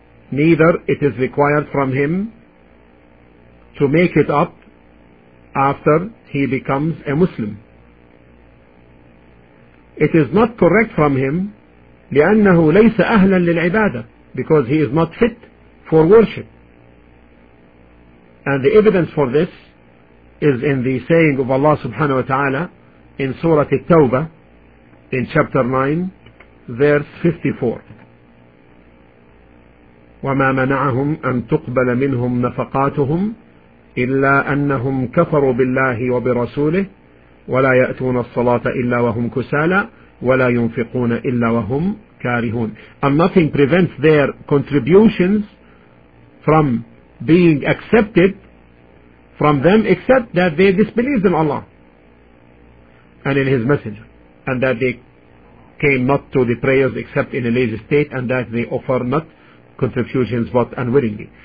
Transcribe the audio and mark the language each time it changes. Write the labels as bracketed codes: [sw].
[en] Neither it is required from him to make it up after he becomes a Muslim. It is not correct from him [ar] لأنه ليس أهلا للعبادة, [en] because he is not fit for worship. And the evidence for this is in the saying of Allah subhanahu wa ta'ala in Surah At-Tawbah in chapter 9 verse 54, [ar] وَمَا مَنَعَهُمْ أَن تُقْبَلَ مِنْهُمْ نَفَقَاتُهُمْ إلا أنهم كفروا بالله وبرسوله ولا يأتون الصلاة إلا وهم كسالى ولا ينفقون إلا وهم كارهون. [en] And nothing prevents their contributions from being accepted from them except that they disbelieved in Allah and in His Messenger, and that they came not to the prayers except in a lazy state, and that they offer not contributions but unwillingly.